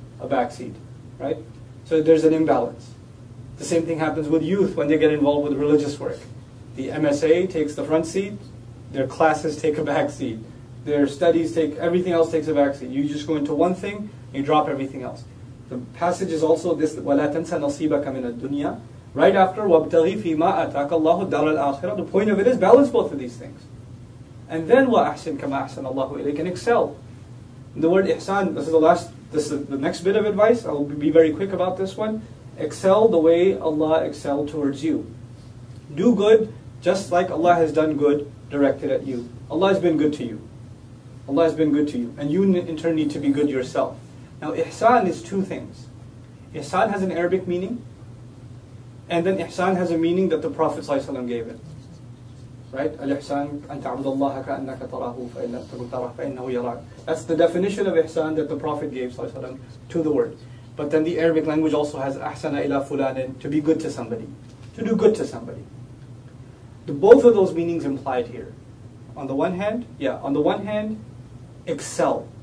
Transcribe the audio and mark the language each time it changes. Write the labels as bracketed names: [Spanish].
[English] a backseat, right? So there's an imbalance. The same thing happens with youth when they get involved with religious work. The MSA takes the front seat, their classes take a backseat, their studies take, everything else takes a backseat. You just go into one thing, you drop everything else. The passage is also this, [Arabic] وَلَا تَنْسَ نَصِيبَكَ مِنَ الدُّنْيَا. [English] Right after, [Arabic] وَابْتَغِي فِي مَا أَتَاكَ اللَّهُ الدَّارَ الْآخِرَةِ. [English] The point of it is balance both of these things. And then, [Arabic] وَأَحْسِنْ كَمَا أَحْسَنَ اللَّهُ إِلَيْكَ. [English] And excel. The word ihsan, this is the last, this is the next bit of advice. I'll be very quick about this one. Excel the way Allah excelled towards you. Do good just like Allah has done good directed at you. Allah has been good to you. Allah has been good to you. And you in turn need to be good yourself. Now, ihsan is two things. Ihsan has an Arabic meaning. And then ihsan has a meaning that the Prophet ﷺ gave it. Right? [Arabic] Al-ihsan, أن تعبد الله كأنك تراه فإنه يراك. [English] That's the definition of ihsan that the Prophet gave ﷺ to the word. But then the Arabic language also has [Arabic] أحسن إلى فلان, [English] to be good to somebody. To do good to somebody. The, both of those meanings implied here. On the one hand, yeah, on the one hand, excel.